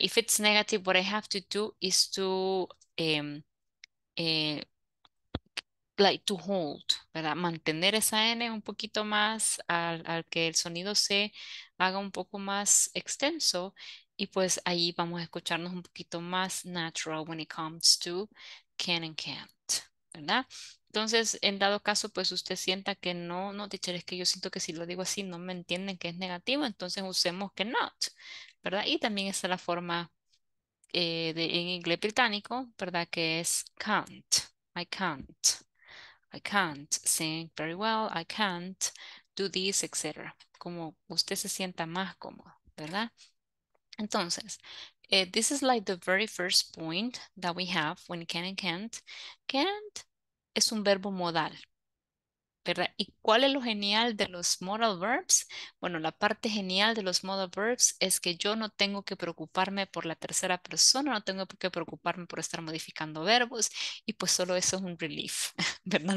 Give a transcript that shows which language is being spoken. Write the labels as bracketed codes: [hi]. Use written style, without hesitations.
[en] If it's negative, what I have to do is to like to hold, ¿verdad? [es] Mantener esa N un poquito más al que el sonido se haga un poco más extenso. Y pues ahí vamos a escucharnos un poquito más natural [en] when it comes to can and can't, [es] ¿verdad? Entonces, en dado caso, pues usted sienta que no, no, teacher, es que yo siento que si lo digo así no me entienden que es negativo, entonces usemos cannot, ¿verdad? Y también está la forma de en inglés británico, ¿verdad? Que es [en] can't, I can't. I can't sing very well, I can't do this, etc. [es] Como usted se sienta más cómodo, ¿verdad? Entonces, [en] this is like the very first point that we have when can and can't. [es] Can't es un verbo modal, ¿verdad? ¿Y cuál es lo genial de los modal verbs? Bueno, la parte genial de los modal verbs es que yo no tengo que preocuparme por la tercera persona, no tengo que preocuparme por estar modificando verbos, y pues solo eso es un relief, ¿verdad?